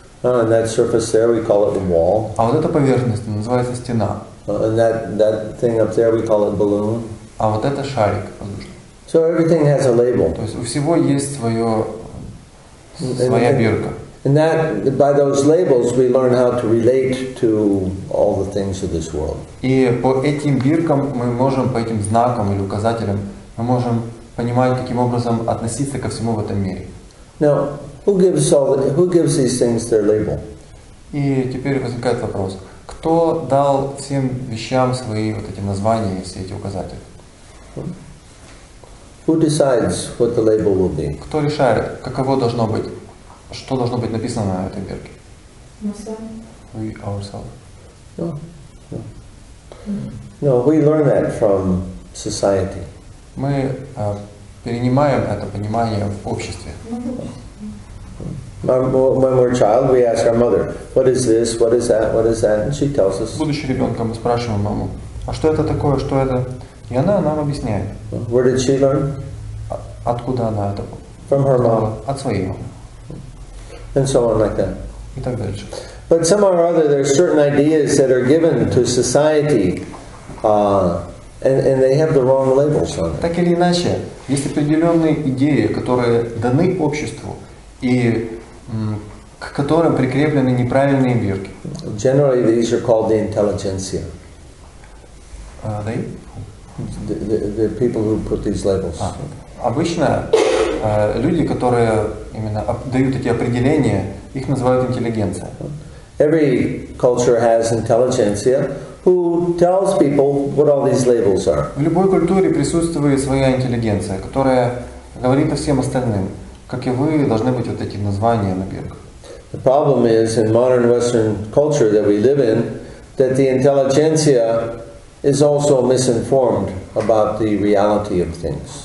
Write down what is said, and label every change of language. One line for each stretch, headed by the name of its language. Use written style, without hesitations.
English: And that surface there we call it the wall.
Russian: А вот эта поверхность называется стена.
English: And that thing up there we call it balloon.
Russian: А вот это шарик, воздушный.
English: So everything has a label.
Russian: То есть у всего есть своя бирка.
English: And that by those labels we learn how to relate to all the things of this world.
Russian: И по этим биркам мы можем, по этим знакам или указателям, мы можем понимают, каким образом относиться ко всему в этом мире.
English: Now, who gives these things their label?
Russian: И теперь возникает вопрос, кто дал всем вещам свои вот эти названия, все эти указатели?
English: Who decides what the label will be?
Russian: Кто решает, каково должно быть, что должно быть написано на этой бирке? Мы сами.
English: We ourselves. No, we learn that from society.
Russian: Мы перенимаем это понимание в обществе.
English: When we're a child, we ask our mother, what is this, what is that, what is that, and she tells us.
Russian: Будучи ребенком, мы спрашиваем маму, а что это такое, что это, И она нам объясняет.
English: Where did she learn?
Russian: Откуда она это?
English: From her mom.
Russian: От своей мамы.
English: And so on like that.
Russian: И так дальше.
English: But somehow or other, there are certain ideas that are given to society, and they have the wrong labels on it.
Russian: Так или иначе, есть определенные идеи, которые даны обществу и к которым прикреплены неправильные бирки.
English: Generally, these are called the intelligentsia. They? The people who put these labels.
Russian: Обычно люди, которые именно дают эти определения, их называют интеллигенция.
English: Every culture has intelligentsia who tells people what all these labels are.
Russian: В любой культуре присутствует своя интеллигенция, которая говорит о всем остальным, как и вы должны быть вот эти названия на бирках.
English: The problem is in modern Western culture that we live in that the intelligentsia is also misinformed about the reality of things.